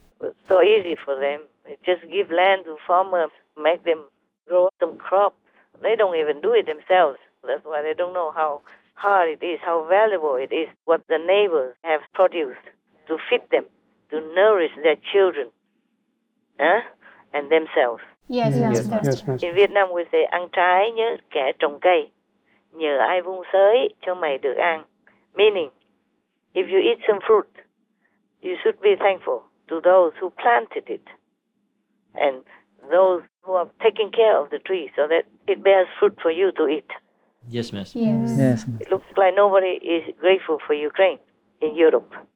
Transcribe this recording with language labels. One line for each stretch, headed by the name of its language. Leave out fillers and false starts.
English: It's so easy for them. They just give land to farmers, make them grow some crops. They don't even do it themselves. That's why they don't know how hard it is, how valuable it is, what the neighbors have produced to feed them, to nourish their children, and themselves. Yes, Master. In Vietnam, we say,
Vietnamese: ăn trái nhớ kẻ trồng cây. Nhờ ai vun sới cho mày được ăn.
English: Meaning, if you eat some fruit, you should be thankful to those who planted it and those who are taking care of the tree so that it bears fruit for you to eat. Yes, Master. It looks like nobody is grateful for Ukraine in Europe.